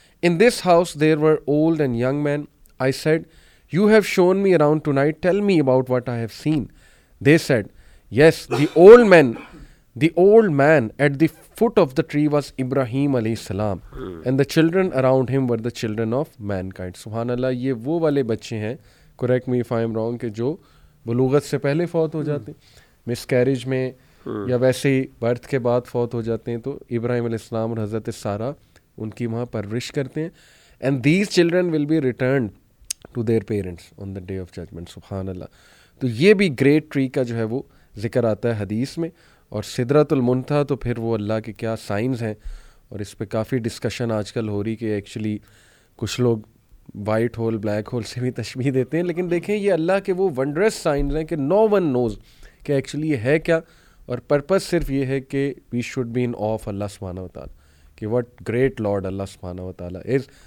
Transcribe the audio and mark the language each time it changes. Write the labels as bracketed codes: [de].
[en] In this house there were old and young men. I said, You have shown me around tonight. Tell me about what I have seen. They said, Yes, the old man at the foot of the tree was Ibrahim alayhi salam. And the children around him were the children of mankind. [ur] Subhanallah, یہ وہ والے بچے ہیں, [en] correct me if I am wrong, [ur] کہ جو بلوغت سے پہلے فوت ہو جاتے ہیں, مس کیریج میں یا ویسے ہی برتھ کے بعد فوت ہو جاتے ہیں, تو ابراہیم علیہ السلام اور حضرت سارا ان کی وہاں پرورش کرتے ہیں. [en] And these children will be returned to their parents on the day of judgment. [ar] Subhanallah. [ur] تو یہ بھی great tree کا جو ہے وہ ذکر آتا ہے حدیث میں. اور سدرۃ المنتہا تو پھر وہ اللہ کے کیا سائنز ہیں, اور اس پہ کافی ڈسکشن آج کل ہو رہی کہ ایکچولی کچھ لوگ وائٹ ہول بلیک ہول سے بھی تشبیہ دیتے ہیں, لیکن دیکھیں یہ اللہ کے وہ ونڈرس سائنز ہیں کہ [en] no one knows [ur] کہ ایکچولی یہ ہے کیا, اور پرپز صرف یہ ہے کہ [en] we should be in of [ur] اللہ سبحانہ و تعالیٰ, کہ [en] what great lord [ur] اللہ سبحانہ و تعالیٰ از.